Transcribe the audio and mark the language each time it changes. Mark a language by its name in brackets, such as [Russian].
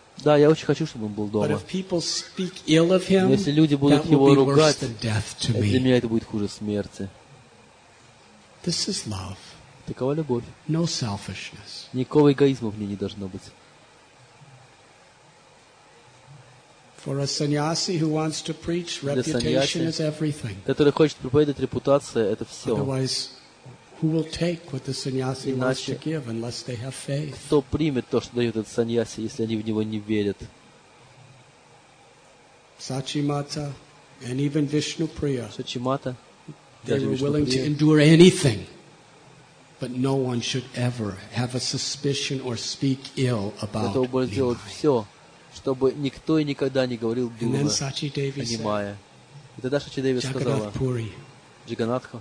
[Russian] Да, я очень хочу, чтобы он был дома. Но если люди будут его ругать, для меня это будет хуже смерти. Это любовь. Такова любовь. [English] No selfishness. [Russian] Никакого эгоизма в ней не должно быть. [English] For a sannyasi who wants to preach, reputation is everything. [Russian] Который хочет проповедовать, репутация – это все. [English] Otherwise, who will take what the sannyasi wants to give unless they have faith? [Russian] Кто примет то, что дает этот сannyasi, если они в него не верят? [English] Сачимата, and even Вишнуприя. [Russian] Сачимата. [English] They were willing to endure anything. But no one should ever have a suspicion or speak ill about Nimai. [Russian] Для того, чтобы сделать все, чтобы никто и никогда не говорил дурно о Нимае. И тогда Сачи Деви сказала, Джаганатха